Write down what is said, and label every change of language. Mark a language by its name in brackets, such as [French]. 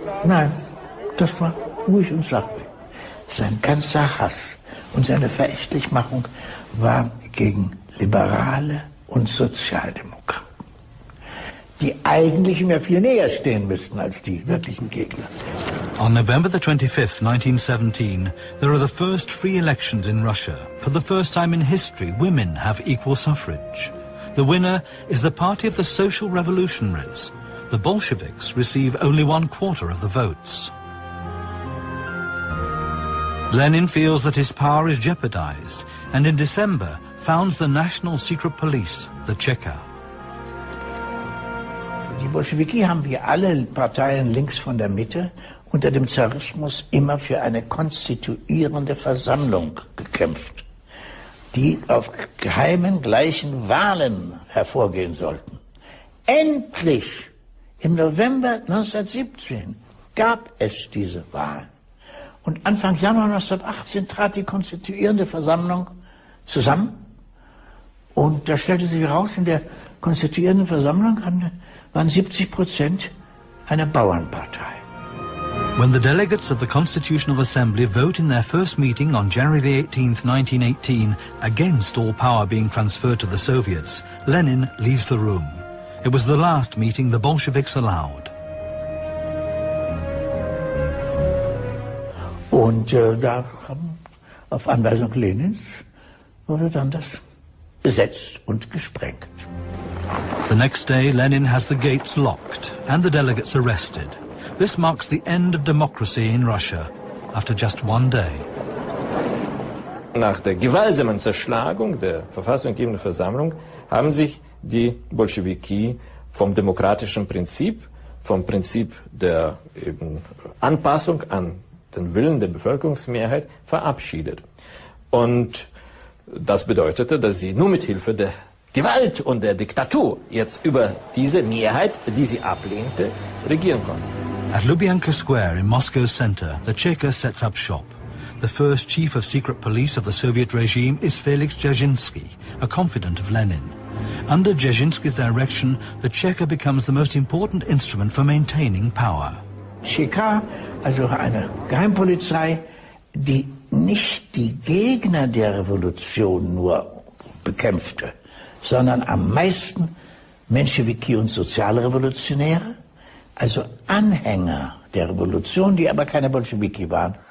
[German] Nein, das war ruhig und sachlich. Sein ganzer Hass und seine Verächtlichmachung war gegen Liberale und Sozialdemokraten, die eigentlich mir viel näher stehen müssten als die wirklichen Gegner. [English] On November the 25th, 1917, there are the first free elections in Russia. For the first time in history, women have equal suffrage. The winner is the party of the social revolutionaries. The Bolsheviks receive only one quarter of the votes. Lenin feels that his power is jeopardized, and in December founds the National Secret Police, the Cheka. [German] Die Bolschewiki haben wie alle Parteien links von der Mitte unter dem Zarismus immer für eine konstituierende Versammlung gekämpft, die auf geheimen gleichen Wahlen hervorgehen sollten. Endlich im November 1917 gab es diese Wahlen. Und Anfang Januar 1918 trat die konstituierende Versammlung zusammen. Und da stellte sich heraus, in der konstituierenden Versammlung waren 70% einer Bauernpartei. [English] When the delegates of the Constitutional Assembly vote in their first meeting on January 18, 1918, against all power being transferred to the Soviets, Lenin leaves the room. It was the last meeting the Bolsheviks allowed. [German] Und da haben auf Anweisung Lenins wurde dann das besetzt und gesprengt. [English] The next day, Lenin has the gates locked and the delegates arrested. This marks the end of democracy in Russia after just one day. [German] Nach der gewaltsamen Zerschlagung der verfassungsgebenden Versammlung haben sich die Bolschewiki vom demokratischen Prinzip, vom Prinzip der eben Anpassung an den Willen der Bevölkerungsmehrheit verabschiedet. Und das bedeutete, dass sie nur mit Hilfe der Gewalt und der Diktatur jetzt über diese Mehrheit, die sie ablehnte, regieren konnten. [English] At Lubyanka Square in Moscow's center, the Cheka sets up shop. The first chief of secret police of the Soviet regime is Felix Dzerzhinsky, a confidant of Lenin. Under Dzerzhinsky's direction, the Cheka becomes the most important instrument for maintaining power. [German] Cheka, also eine Geheimpolizei, die nicht die Gegner der Revolution nur bekämpfte, sondern am meisten Menschewiki und Sozialrevolutionäre, also Anhänger der Revolution, die aber keine Bolschewiki waren.